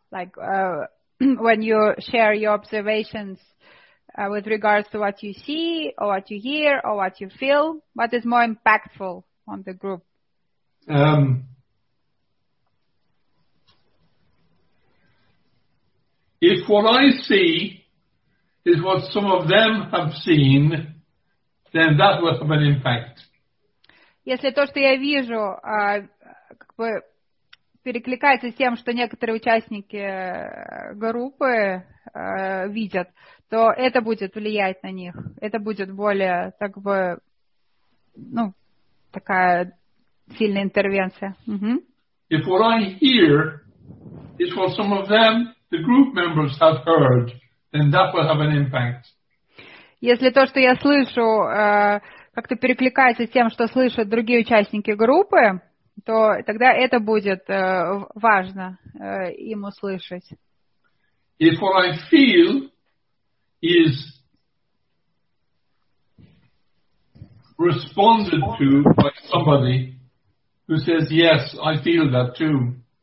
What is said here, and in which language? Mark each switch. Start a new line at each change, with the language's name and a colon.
English: Like when you share your observations with regards to what you see, or what you hear, or what you feel, what is more impactful on the group? If what I see is what some of them have seen, then that will have an impact.
Russian: Если то, что я вижу, как бы перекликается с тем, что некоторые участники группы видят, то это будет влиять на них. Это будет более, как бы, ну, такая сильная интервенция.
English: If what I hear is what some of them the group members have heard, then that will have an impact.
Russian: Если то, что я слышу, как-то перекликается с тем, что слышат другие участники группы, то тогда это будет важно им услышать.
English: If what I feel is responded to by somebody who says, yes, I feel that too.